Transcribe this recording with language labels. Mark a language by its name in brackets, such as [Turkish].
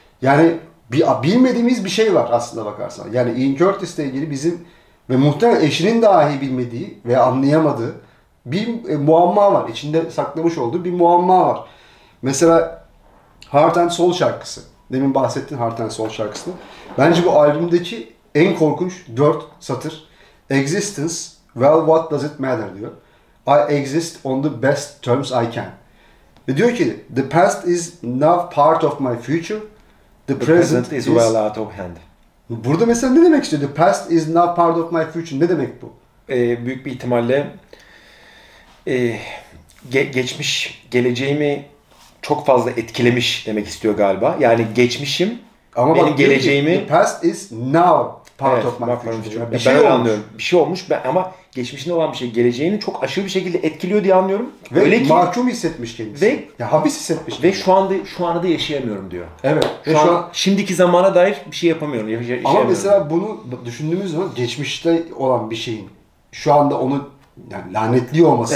[Turkish] Yani bilmediğimiz bir şey var aslında bakarsan. Yani Ian Curtis'le ilgili bizim ve muhtemelen eşinin dahi bilmediği ve anlayamadığı bir muamma var. İçinde saklamış olduğu bir muamma var. Mesela Heart and Soul şarkısı. Demin bahsettin Heart and Soul şarkısını. Bence bu albümdeki en korkunç 4 satır. [English] Existence, well what does it matter [Turkish] diyor. [English] I exist on the best terms I can. [Turkish] Ve diyor ki, [English] the past is now part of my future, the present is well out of hand. [Turkish] Burada mesela ne demek istiyor? [English] The past is now part of my future. [Turkish] Ne demek bu? büyük bir ihtimalle geçmiş geleceğimi çok fazla etkilemiş demek istiyor galiba. Yani geçmişim ama benim geleceğimi... [English] The past is now part of my future. [Turkish] Bir şey olmuş. Anlıyorum. Bir şey olmuş ama geçmişinde olan bir şey geleceğini çok aşırı bir şekilde etkiliyor diye anlıyorum. Ve öyle ki, mahkum hissetmiş kendisi. Ve ya, hapis hissetmiş. Ve şu anda da yaşayamıyorum diyor. Evet. Şu an şimdiki zamana dair bir şey yapamıyorum. Ama mesela bunu düşündüğümüz zaman geçmişte olan bir şeyin şu anda onu yani lanetliyor olması.